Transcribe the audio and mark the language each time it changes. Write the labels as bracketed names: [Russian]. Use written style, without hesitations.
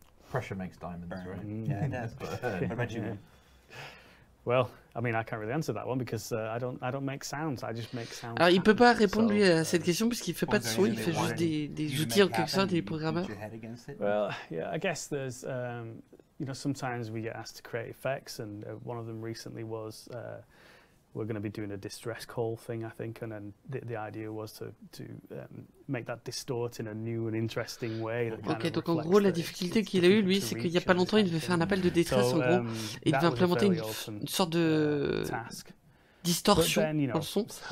[English] Pressure makes diamonds, right? Yeah, it does. But I bet you. Well, I mean, I can't really answer that one because I don't make sounds. I just make sounds. [French] Alors, il peut pas répondre lui à cette question puisqu'il fait pas de son. Il fait juste des outils en quelque sorte, des programmeurs. [English] Well, yeah, I guess there's, you know, sometimes we get asked to create effects, and one of them recently was. We're going to be doing a distress call thing, I think, and then the idea was to make that distort in a new and interesting way. [French] Ok, donc en gros, la difficulté qu'il a eue, lui, c'est qu'il n'y a pas longtemps, il devait faire un appel de détresse, en gros, et il devait implémenter une sorte de distorsion en son.